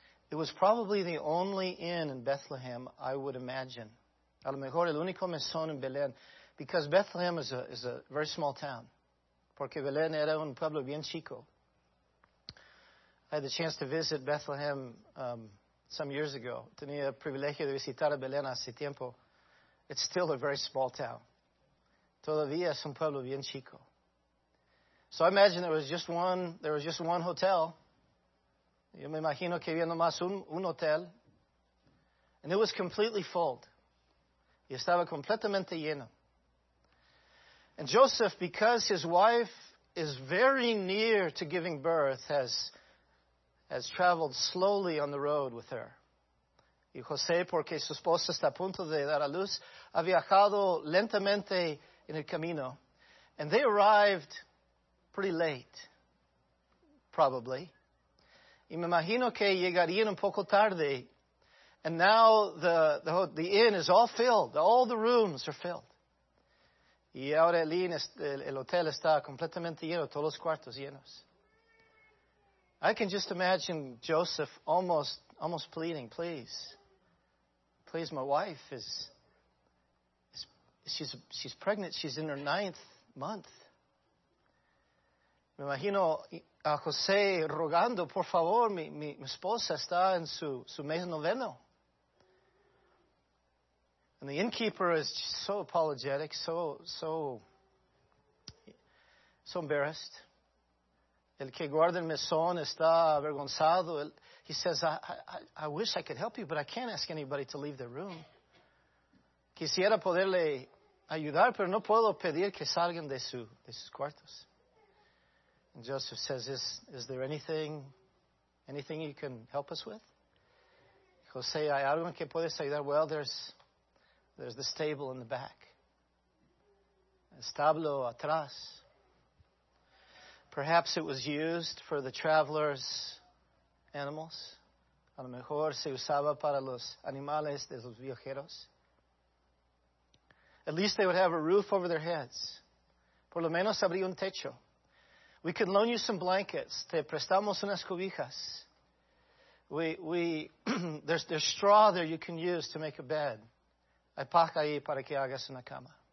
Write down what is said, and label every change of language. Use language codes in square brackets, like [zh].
[en] It was probably the only inn in Bethlehem, I would imagine. [es] A lo mejor el único mesón en Belén, [en] because Bethlehem is a very small town. [es] Porque Belén era un pueblo bien chico. [en] I had the chance to visit Bethlehem some years ago. [es] Tenía el privilegio de visitar a Belén hace tiempo. [en] It's still a very small town. [es] Todavía es un pueblo bien chico. [en] So I imagine there was just one hotel. [es] Yo me imagino que había nomás un hotel. [en] And it was completely full. [es] Y estaba completamente lleno. [en] And Joseph, because his wife is very near to giving birth, has traveled slowly on the road with her. [es] Y José, porque su esposa está a punto de dar a luz, ha viajado lentamente en el camino. [en] And they arrived pretty late, probably. [es] Y me imagino que llegarían un poco tarde. [en] And now the inn is all filled. All the rooms are filled. [es] Y ahora el hotel está completamente lleno, todos los cuartos llenos. [en] I can just imagine Joseph almost pleading, please. Please, my wife she's pregnant. She's in her ninth month. [es] Me imagino a José rogando, por favor, mi esposa está en su mes noveno. [en] And the innkeeper is so apologetic, so embarrassed. [es] El que guarda el mesón está avergonzado. [en] He says, I wish I could help you, but I can't ask anybody to leave their room. [es] Quisiera poderle ayudar, pero no puedo pedir que salgan de sus cuartos. [en] And Joseph says, is there anything you can help us with? [es] José, ¿hay algo que puedes ayudar? [en] Well, there's the stable in the back. [es] Establo atrás. [en] Perhaps it was used for the traveler's animals. [es] A lo mejor se usaba para los animales de los viajeros. [en] At least they would have a roof over their heads. [es] Por lo menos habría un techo. [en] We can loan you some blankets. [es] Te prestamos unas cobijas. [en] We there's straw there you can use to make a bed. [es] Hay paja ahí para que hagas una cama.